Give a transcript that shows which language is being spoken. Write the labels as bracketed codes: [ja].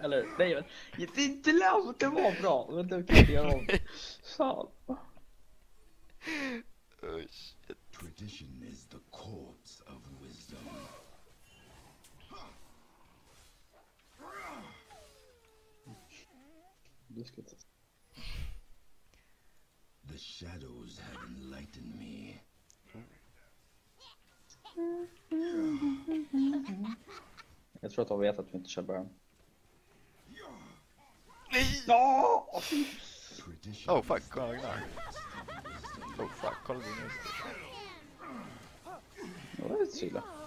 [sv] Eller, nej, men, det är inte lätt, det var bra, men du kan inte göra om. Fan. [en] Oh, shit. Tradition is the corpse of wisdom. The shadows have enlightened me. [sv] Jag tror att de vet att vi inte kör början. Nej! Ja! Oh fuck, kolla Gnar. Oh fuck, kolla din röster. Det var lite sila.